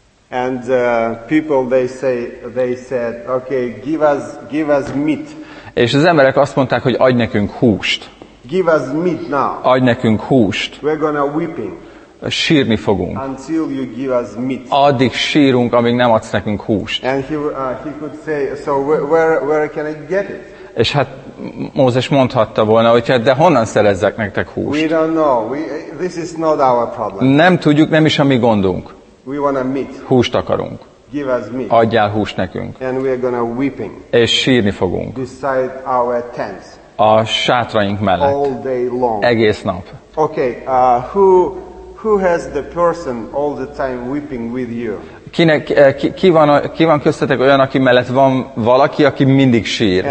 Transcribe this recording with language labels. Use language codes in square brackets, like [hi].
[en] And people they said, okay, give us meat. [hu] És az emberek azt mondták, hogy adj nekünk húst. [en] Give us meat now. [hu] Adj nekünk húst. [en] We're gonna weeping. [hu] sírni fogunk. [en] Until you give us meat. [hu] Addig sírunk, amíg nem adsz nekünk húst. [en] And he could say, so where can I get it? [hu] És hát Mózes mondhatta volna, hogy de honnan szerezzek nektek húst? [en] We don't know. This is not our problem. [hu] Nem tudjuk, nem is a mi gondunk. [en] We want a meat. [hu] Húst akarunk. [en] Give us meat. [hu] Adjál húst nekünk. [en] And we are gonna weeping. [hu] És sírni fogunk. [en] Beside our tents. [hu] A sátraink mellett. [en] All day long. [hu] Egész nap. [en] Okay, who has the person all the time weeping with you? [hu] Kinek, ki van köztetek olyan, aki mellett van valaki, aki mindig sír.